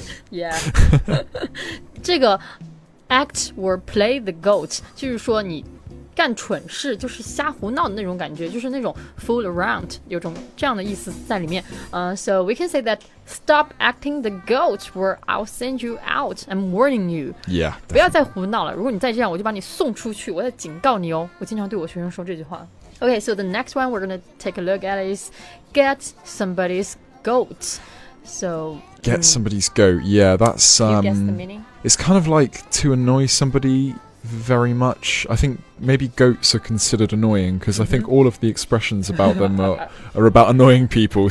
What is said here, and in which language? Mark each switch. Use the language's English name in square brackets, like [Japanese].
[Chinese] Yeah. 这个 act or play the goat, 就是说你干蠢事就是瞎胡闹的那种感觉就是那种 [English] fool around, [Chinese] 有种这样的意思在里面。 [English] So, we can say that stop acting the goat or I'll send you out, I'm warning you. Yeah.、 Definitely. [Chinese] 不要再胡闹了如果你再这样我就把你送出去我再警告你哦我经常对我学生说这句话。 [English] Okay, so the next one we're going to take a look at is get somebody's goat. So, get somebody's goat. Yeah, that's... You guess the meaning? It's kind of like to annoy somebody very much. I think maybe goats are considered annoying because I think all of the expressions about them are about annoying people.